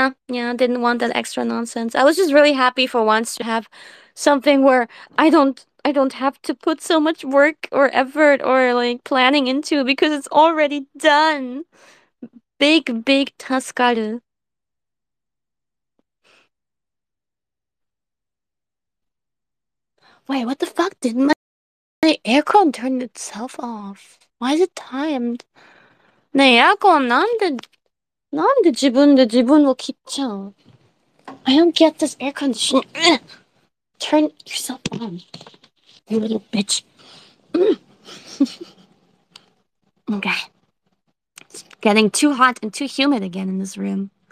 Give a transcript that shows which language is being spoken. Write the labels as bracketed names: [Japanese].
[English] Yeah, didn't want that extra nonsense. I was just really happy for once to have something where I don't have to put so much work or effort or like planning into it because it's already done. Big, big taskaru. Wait, what the fuck? Didn't my aircon turn itself off? Why is it timed? [Japanese] ねえ、エアコンなんで自分で自分を切っちゃう? [English] I don't get this air condition. Turn yourself on, you little bitch. Okay. It's getting too hot and too humid again in this room.